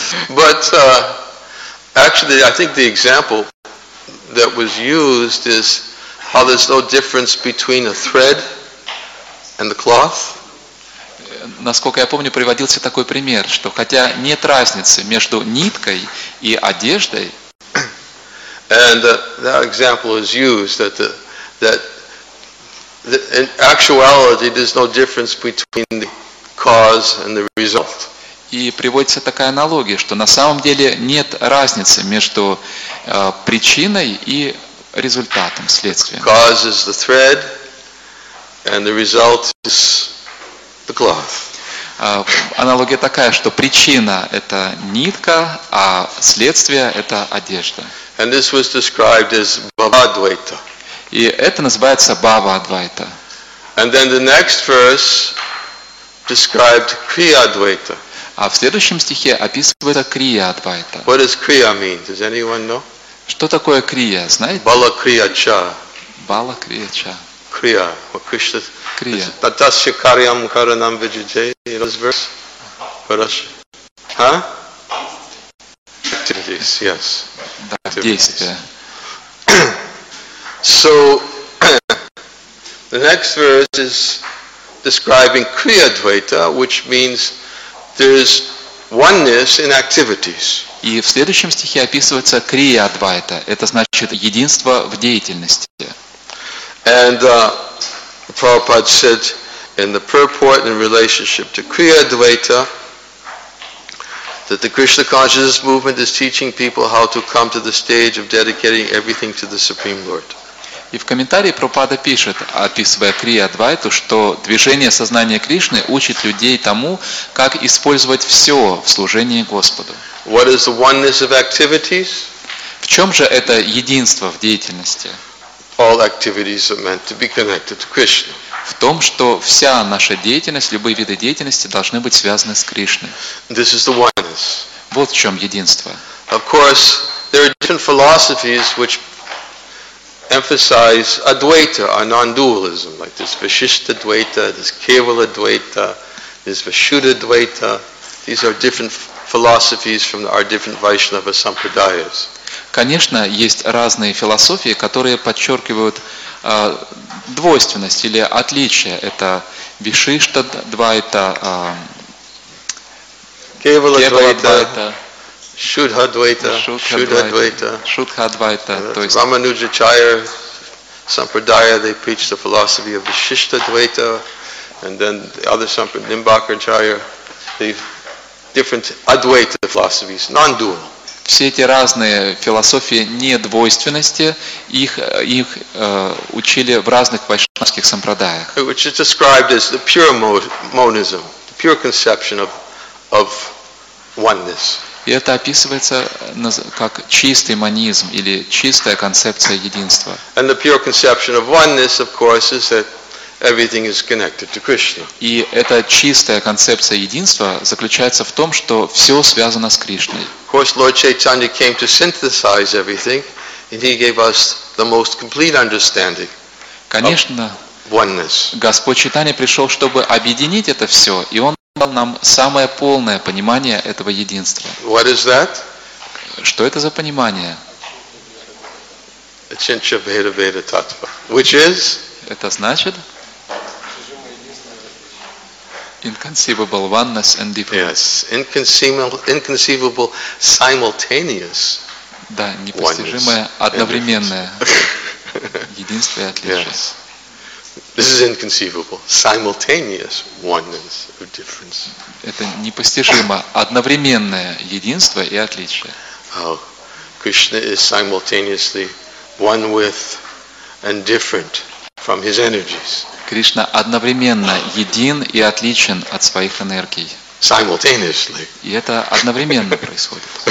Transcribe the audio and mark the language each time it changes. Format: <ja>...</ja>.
<en>But actually, I think the example that was used is how there's no difference between a thread and the cloth.</en> <ru>Насколько я помню, приводился такой пример, что хотя нет разницы между ниткой и одеждой,</ru> <en>and that example is used that in actuality there's no difference between the cause and the result.</en> <ru>И приводится такая аналогия, что на самом деле нет разницы между причиной и результатом, следствием.</ru> <en>Cause is the thread and the result is the cloth.</en> <ru>Аналогия такая, что причина это нитка, а следствие это одежда.</ru> <en>And this was described as Bhavadvaita.</en> <ru>И это называется Bhavadvaita.</ru> <en>And then the next verse described Kriyadvaita.</en> <ru>А в следующем стихе описывается Kriyadvaita.</ru> <en>What does Kriya mean? Does anyone know?</en> <ru>Что такое Kriya, знаете? Balakriyacha. Balakriyacha.</ru> <en>Kriya. Well, Krishna. Kriya.</en> <sa>Tatasya karyam karanam vijaye.</sa> <en>You know this verse? Huh? Activities, yes. So the next verse is describing Kriyadvaita, which means there is oneness in activities.</en> <ru>И в следующем стихе описывается Kriyadvaita. Это значит единство в деятельности.</ru> <en>And Prabhupada said in the purport in relationship to Kriyadvaita, that the Krishna consciousness movement is teaching people how to come to the stage of dedicating everything to the Supreme Lord.</en> <ru>И в комментарии Прабхупада пишет, описывая Криадвайту, что движение сознания Кришны учит людей тому, как использовать все в служении Господу.</ru> <en>What is the oneness of activities?</en> <ru>В чем же это единство в деятельности?</ru> <en>all activities are meant to be connected to Krishna.</en> <ru>В том, что вся наша деятельность, любые виды деятельности должны быть связаны с Кришной.</ru> <en>This is the oneness.</en> <ru>Вот в чем единство.</ru> <en>Of course, there are different philosophies which emphasize Advaita, or non-dualism, like this Vishishta Dvaita, this Kevala Dvaita, this Vishuddha Dvaita. These are different philosophies from our different Vaishnava Sampradayas.</en> <ru>Конечно, есть разные философии, которые подчеркивают двойственность или отличие. Это Вишишта Двайта, Кевала Двайта, Шудха Двайта, Шудха Двайта, то есть Рамануджа Чайя Сампрадая,</ru> <en>they preach the philosophy of Вишишта Двайта, and then the other Сампрадая, Нимбака Чайя, they different Advaita philosophies, non-dual.</en> <ru>Все эти разные философии недвойственности, их учили в разных вайшнавских сампрадаях.</ru> <en>Which is described as the pure monism, the pure conception of oneness.</en> <ru>И это описывается как чистый монизм или чистая концепция единства.</ru> <en>And the pure conception of oneness, of course, is that everything is connected to Krishna.</en> <ru>И эта чистая концепция единства заключается в том, что все связано с Кришной.</ru> <en>Of course, Lord Chaitanya came to synthesize everything, and he gave us the most complete understanding.</en> <ru>Конечно,</ru> <en>of oneness.</en> <ru>Господь Чайтанья пришел, чтобы объединить это все, и он дал нам самое полное понимание этого единства.</ru> <en>What is that?</en> <ru>Что это за понимание?</ru> <en>Achintya Bheda Veda Tattva. Which is?</en> <ru>Это значит?</ru> <en>Inconceivable oneness and difference. Yes, inconceivable simultaneous.</en> <ru>Да, непостижимое одновременное единство и отличие.</ru> <en>Yes. This is inconceivable simultaneous oneness or difference.</en> <ru>Это непостижимо одновременное единство и отличие.</ru> <en>Oh, Krishna is simultaneously one with and different from his energies.</en> <ru>Кришна одновременно един и отличен от своих энергий.</ru> <en>Simultaneously.</en> <ru>И это одновременно происходит.</ru>